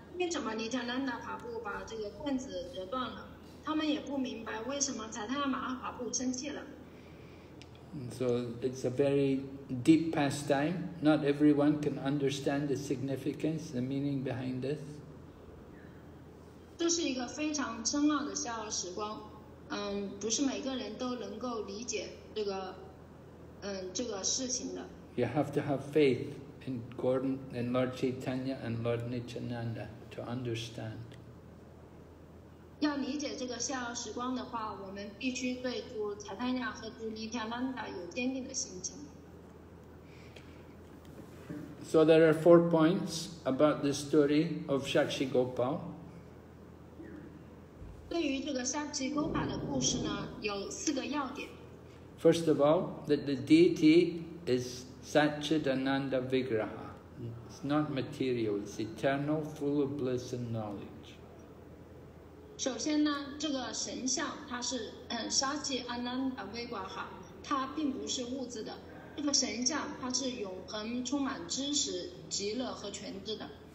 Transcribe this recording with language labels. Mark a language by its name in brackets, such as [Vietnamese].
[Chinese] 为什么尼加南达帕布把这个棍子折断了？他们也不明白为什么财塔亚马哈帕布生气了。 [English] So it's a very deep pastime. Not everyone can understand the significance, the meaning behind this. [Chinese] 这是一个非常深奥的逍遥时光。不是每个人都能够理解这个事情的。 [English] You have to have faith in Gordon and Lord Chaitanya and Lord Nityananda. To understand. [Chinese] 要理解这个逍遥时光的话，我们必须对主查坦亚和主尼加兰达有坚定的心情。 [English] So there are four points about the story of Sakshi Gopal. [Chinese] 对于这个 Sakshi Gopal 的故事呢，有四个要点。 [English] First of all, that the deity is Satchidananda Vigraha. It's not material, it's eternal, full of bliss and knowledge. [Chinese] 首先呢，这个神像它是沙奇安南达维瓦哈，它并不是物质的。这个神像它是永恒，充满知识、极乐和全知的。